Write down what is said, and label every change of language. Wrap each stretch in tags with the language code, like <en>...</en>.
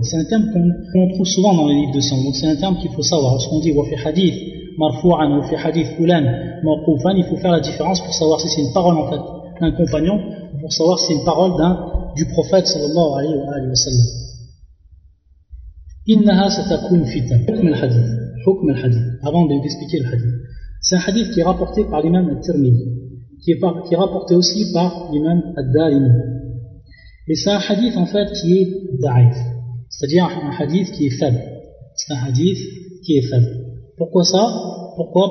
<fr>C'est un terme qu'on trouve souvent dans les livres de sang. Donc c'est un terme qu'il faut savoir. Lorsqu'on dit wafi hadith, marfou'an, wafi hadith, fulan, marfou'an, il faut faire la différence pour savoir si c'est une parole, en fait, d'un compagnon, ou pour savoir si c'est une parole du prophète sallallahu alayhi wa sallam.</fr> <ar>إنها ستكون فتن حكم الحديث حكم الحديث</ar> <fr>avant de vous expliquer le hadith. C'est un hadith qui est rapporté par l'imam al-Tirmidhi, qui est rapporté aussi par l'imam al-Darimi, et c'est un hadith en fait qui est da'if, c'est-à-dire un hadith qui est faible. C'est un hadith qui est faible. Pourquoi ça? Pourquoi?</fr>